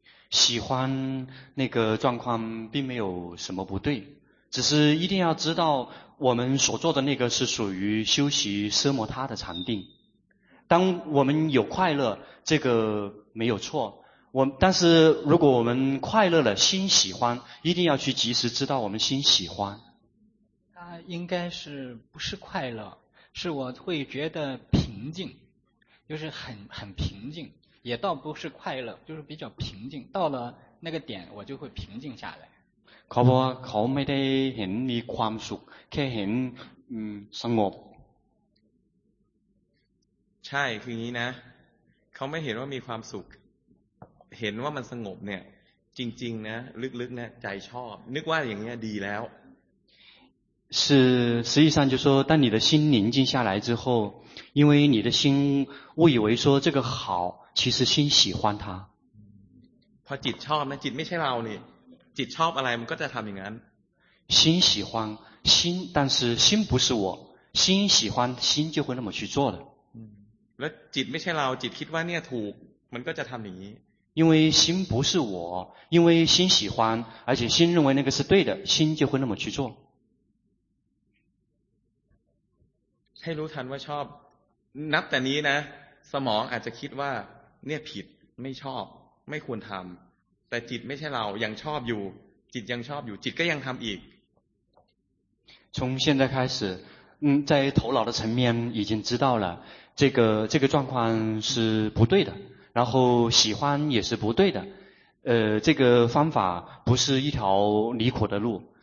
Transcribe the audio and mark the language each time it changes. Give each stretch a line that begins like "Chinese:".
Chinese: 喜欢那个状况并没有什么不对只是一定要知道我们所做的那个是属于修习奢摩他的禅定当我们有快乐这个没有错但是如果我们快乐了心喜欢一定要去及时知道我们心喜欢它应该是不是快乐是我会觉得平静就是很平静也倒不是快乐就是比较平静到了那个点我就会平静下来
Thai: เขาไม่ได้เห็นมีความสุขแค่เห็นสงบ ใช่คืออย่างนี้นะเขาไม่เห็นว่ามีความสุขเห็นว่ามันสงบเนี่ยจริงๆนะลึกๆนะใจชอบนึกว่าอย่างนี้ดีแล้ว
Chinese: 是实际上就说当你的心宁静下来之后因为你的心误以为说这个好其实心喜欢它
Thai: พอจิตชอบนะจิตไม่ใช่เรานี่จิตชอบอะไรมันก็จะทำอย่างนั้น
Chinese: 心喜欢心但是心不是我心喜欢心就会那么去做的
Thai: แล้วจิตไม่ใช่เราจิตคิดว่าเนี่ยถูกมันก็จะทำอย่างนี้
Chinese: 因为心不是我因为心喜欢而且心认为那个是对的心就会那么去做
Thai: ให้รู้ทันว่าชอบนับแต่นี้นะสมองอาจจะคิดว่าเนี่ยผิดไม่ชอบไม่ควรทำแต่จิตไม่ใช่เรายังชอบอยู่จิตยังชอบอยู่จิตก็ยังทำอีก
Chinese: 从现在开始在头脑的层面已经知道了这个状况是不对的然后喜欢也是不对的这个方法不是一条离苦的路